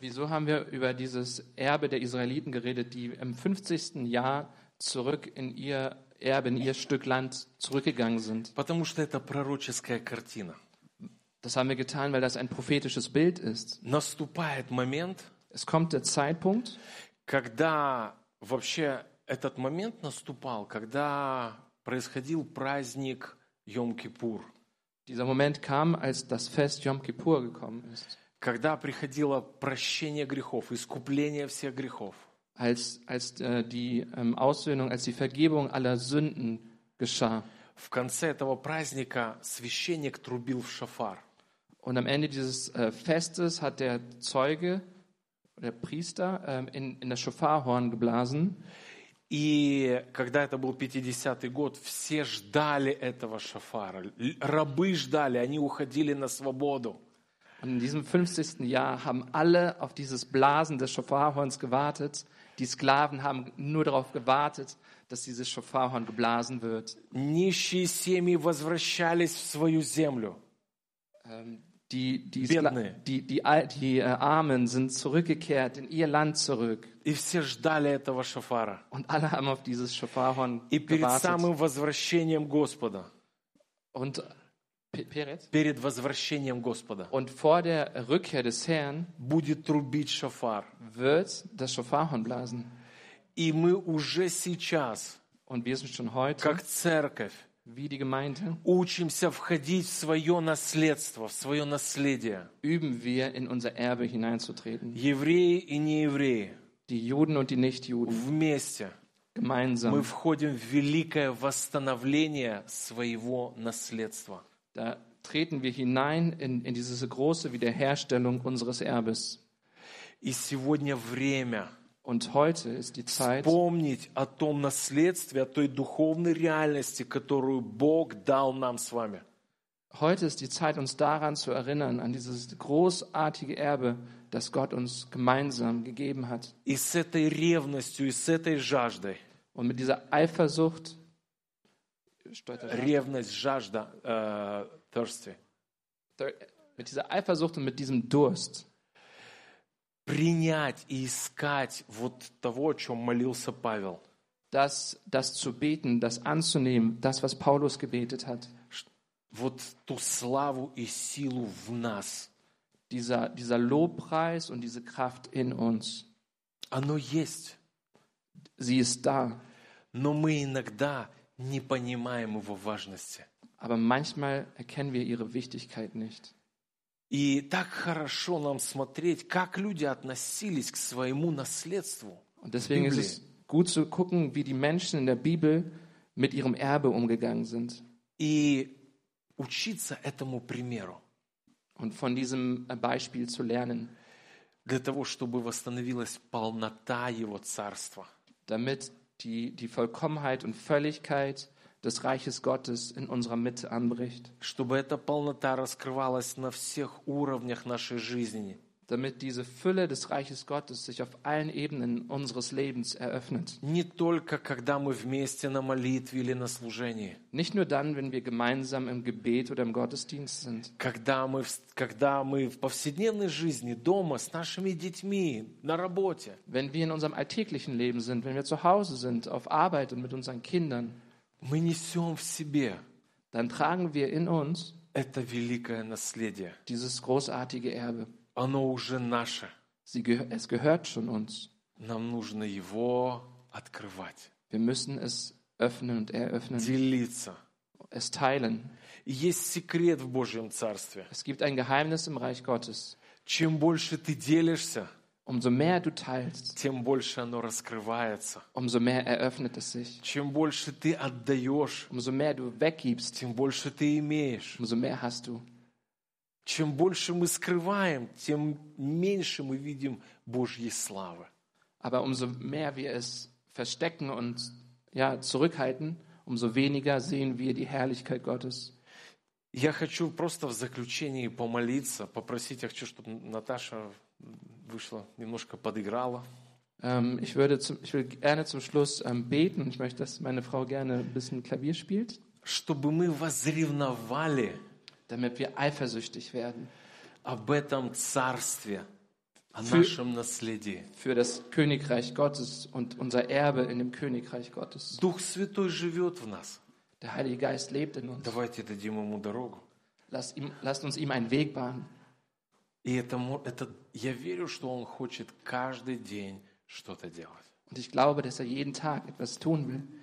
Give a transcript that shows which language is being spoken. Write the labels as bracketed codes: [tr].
[de] Wieso haben wir über dieses Erbe der Israeliten geredet, die im 50. Jahr zurück in ihr Erbe, in ihr Stück Land zurückgegangen sind? [ru] Потому что это пророческая картина. [de] Das haben wir getan, weil das ein prophetisches Bild ist. [ru] Наступает момент, [de] es kommt der Zeitpunkt, [ru] когда вообще этот момент наступал, когда происходил праздник Йом-Кипур. [de] Dieser Moment kam, als das Fest Yom Kippur gekommen ist. [ru] Когда приходило прощение грехов, искупление всех грехов. [de] Als die Aussöhnung, als die Vergebung aller Sünden geschah. [ru] В конце этого праздника священник трубил в шафар. [de] Und am Ende dieses Festes hat der Zeuge, der Priester, in das Schofarhorn geblasen. [ru] И когда это был 50-й год, все ждали этого шофара. Рабы ждали, они уходили на свободу. [de] Und in diesem 50. Jahr haben alle auf dieses Blasen des Schofarhorns gewartet. Die Sklaven haben nur darauf gewartet, dass dieses Schofarhorn geblasen wird. [ru] Нищие семьи возвращались в свою землю. [de] Die Armen sind zurückgekehrt in ihr Land zurück. [ru] И все ждали этого шофара. [de] Und alle haben auf dieses Schofarhorn [ru] И перед [de] gewartet. [ru] Самым возвращением Господа. [de] Und [ru] перед возвращением Господа. [de] Und vor der Rückkehr des Herrn [ru] будет трубить шофар. [de] Wird das Schofarhorn blasen. [ru] И мы уже сейчас. [de] Und wir sind schon heute. [ru] Как церковь. [de] Wie die Gemeinde, [ru] учимся входить в свое наследство, в свое наследие. [de] Üben wir in unser Erbe hineinzutreten. [ru] Евреи и неевреи. [de] Die Juden und die Nichtjuden. [ru] Вместе. [de] Gemeinsam. [ru] Мы входим в великое восстановление своего наследства. [de] Da treten wir hinein in diese große Wiederherstellung unseres Erbes. [ru] И сегодня время. [de] Und heute ist die Zeit, [ru] вспомнить о том наследстве, о той духовной реальности, которую Бог дал нам с вами. [de] Heute ist die Zeit, uns daran zu erinnern, an dieses großartige Erbe, das Gott uns gemeinsam gegeben hat. [ru] И с этой ревностью, и с этой жаждой. [de] Und mit dieser Eifersucht. [ru] Ревность, жажда, thirsty. [de] Mit dieser Eifersucht und mit diesem Durst. [ru] Принять и искать вот того, о чем молился Павел. [de] Das zu beten, das anzunehmen, das, was Paulus gebetet hat. [ru] Вот ту славу и силу в нас. [de] Dieser Lobpreis und diese Kraft in uns. [ru] Оно есть. [de] Sie ist da. [ru] Но мы иногда не понимаем его важности. [de] Aber manchmal erkennen wir ihre Wichtigkeit nicht. [ru] И так хорошо нам смотреть, как люди относились к своему наследству. [de] Und deswegen ist es gut zu gucken, wie die Menschen in der Bibel mit ihrem Erbe umgegangen sind. [ru] И учиться этому примеру. [de] Und von diesem Beispiel zu lernen. [ru] Для того, чтобы восстановилась полнота его царства. [de] Damit die Vollkommenheit und Völligkeit des Reiches Gottes in unserer Mitte anbricht. [ru] Чтобы эта полнота раскрывалась на всех уровнях нашей жизни. [de] Damit diese Fülle des Reiches Gottes sich auf allen Ebenen unseres Lebens eröffnet. [ru] Не только когда мы вместе на молитве или на служении. [de] Nicht nur dann, wenn wir gemeinsam im Gebet oder im Gottesdienst sind. [ru] Когда мы в повседневной жизни, дома, с нашими детьми, на работе. [de] Wenn wir in unserem alltäglichen Leben sind, wenn wir zu Hause sind, auf Arbeit und mit unseren Kindern. [ru] Мы несем в себе [de] Dann tragen wir in uns [ru] это великое наследие. [de] Dieses großartige Erbe. [ru] Оно уже наше. [de] Es gehört schon uns. [ru] Нам нужно его открывать. [de] Wir müssen es öffnen und eröffnen. [ru] Делиться. [de] Es teilen. [ru] Есть секрет в Божьем Царстве. [de] Es gibt ein Geheimnis im Reich Gottes. [ru] Чем больше ты делишься, [de] Umso mehr du teilst, [ru] тем больше оно раскрывается. [de] Umso mehr eröffnet es sich. [ru] Чем больше ты отдаешь, [de] Umso mehr du weggibst, [ru] тем больше ты имеешь. [de] Umso mehr hast du. [ru] Чем больше мы скрываем, тем меньше мы видим Божьей славы. [de] Aber umso mehr wir es verstecken und ja, zurückhalten, umso weniger sehen wir die Herrlichkeit Gottes. [ru] Я хочу просто в заключении помолиться, попросить, я хочу, чтобы Наташа вышла, немножко подыграла. [de] Ich will gerne zum Schluss beten. Ich möchte, dass meine Frau gerne ein bisschen Klavier spielt. [ru] Чтобы мы возревновали, [de] damit wir eifersüchtig werden. [ru] Об этом царстве, о нашем наследии. [de] Für das Königreich Gottes und unser Erbe in dem Königreich Gottes. [ru] Дух Святой живет в нас. [de] Der Heilige Geist lebt in uns. [ru] Давайте дадим ему дорогу. [de] Lasst uns ihm einen Weg bahnen. [ru] Я верю, что он хочет каждый день что-то делать. [de] Und ich glaube, dass er jeden Tag etwas tun will.